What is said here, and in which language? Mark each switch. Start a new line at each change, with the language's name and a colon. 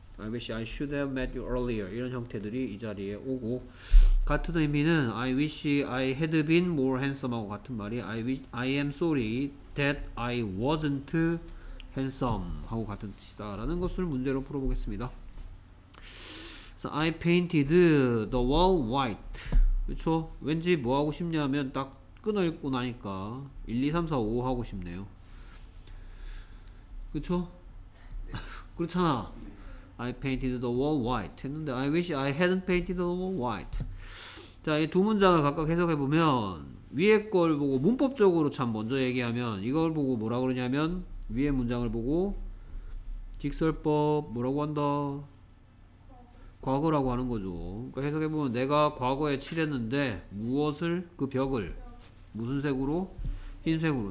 English: I wish I should have met you earlier
Korean: 이런 형태들이 이 자리에 오고, 같은 의미는
English: I wish I had been more handsome
Korean: 하고 같은 말이
English: I am sorry that I wasn't handsome
Korean: 하고 같은 뜻이다라는 것을 문제로 풀어보겠습니다.
English: So I painted the wall white.
Korean: 그렇죠? 왠지 뭐 하고 싶냐면 딱 끊어 읽고 나니까 1, 2, 3, 4, 5 하고 싶네요. 그쵸? 그렇잖아.
English: I painted the wall white
Korean: 했는데
English: I wish I hadn't painted the wall white.
Korean: 자, 이두 문장을 각각 해석해 보면 위에 걸 보고 문법적으로 참 먼저 얘기하면 이걸 보고 뭐라 그러냐면 위에 문장을 보고 직설법 뭐라고 한다? 과거라고 하는 거죠. 그러니까 해석해 보면 내가 과거에 칠했는데 무엇을 그 벽을 무슨 색으로? 흰색으로.